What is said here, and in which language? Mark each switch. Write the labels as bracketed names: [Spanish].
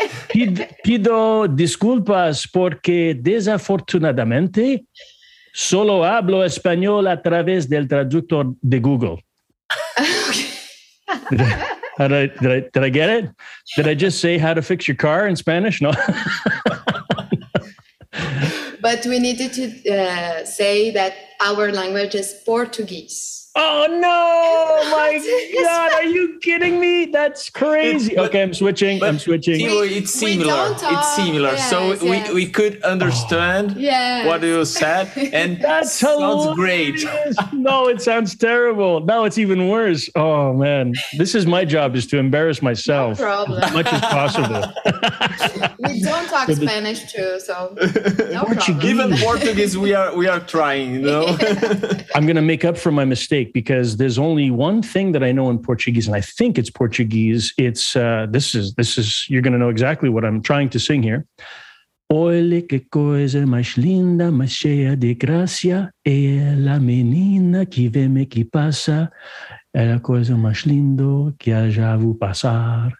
[Spanish] Pido disculpas porque desafortunadamente solo hablo español a través del traductor de Google. [English] did I get it? Did I just say how to fix your car in Spanish? No. But we needed to say that our language is Portuguese. Oh no, my God, are you kidding me? That's crazy. Okay, I'm switching. I'm switching. It's similar. It's similar. Yes, so we could understand what you said. And that sounds great. No, it sounds terrible. Now it's even worse. Oh man. This is my job, is to embarrass myself as much as possible. We don't talk Spanish too, so no even Portuguese we are trying, you know. I'm gonna make up for my mistake, because there's only one thing that I know in Portuguese, and I think it's Portuguese. It's this is you're going to know exactly what I'm trying to sing here. [Portuguese] Olha que coisa mais linda, mais cheia de graça, é a menina que vem e que passa. É a coisa mais linda que eu já vou passar.